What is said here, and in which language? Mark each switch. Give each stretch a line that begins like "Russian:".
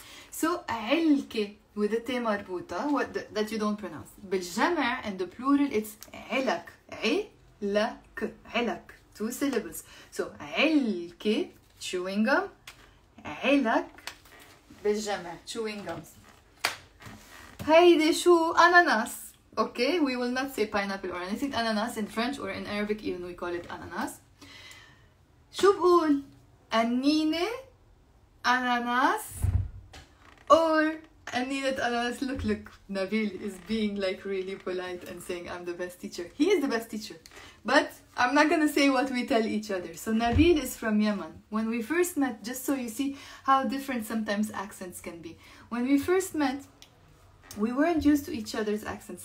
English: So, علكة. With the تي مربوطة, that you don't pronounce. بالجمع, in the plural, it's علك. علك. علك. two syllables. So, علكي, chewing gum. علك, بالجمع, chewing gums.
Arabic: هيدي شو؟ أناناس.
English: Okay, we will not say pineapple or anything. Ananas in French or in Arabic, even we call it ananas.
Arabic: شو بقول؟ أنينة أناناس or أنينة أناناس.
English: Look, look, Nabil is being like really polite and saying I'm the best teacher. He is the best teacher. But I'm not gonna say what we tell each other. So Nabil is from Yemen. When we first met, just so you see how different sometimes accents can be. When we first met, we weren't used to each other's accents.